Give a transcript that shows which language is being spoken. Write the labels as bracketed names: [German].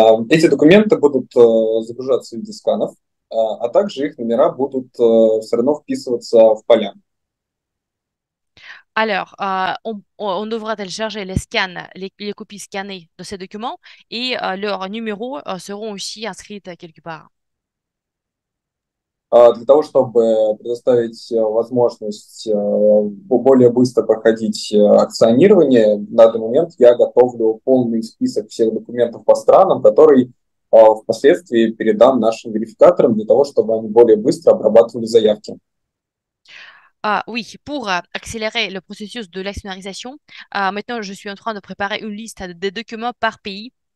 [Russian] Эти документы будут загружаться в виде сканов, а также их номера будут все равно вписываться в поля. [French] Alors, on devra télécharger les scans, les copies scannées de ces documents et leurs numéros seront aussi inscrits quelque part. [Russian] Для того, чтобы предоставить возможность более быстро проходить акционирование, на данный момент я готовлю полный список всех документов по странам, который впоследствии передам нашим верификаторам для того, чтобы они более быстро обрабатывали заявки. [French] Oui, pour accélérer le processus de l'actionnarisation, maintenant je suis en train de préparer une liste des documents par pays.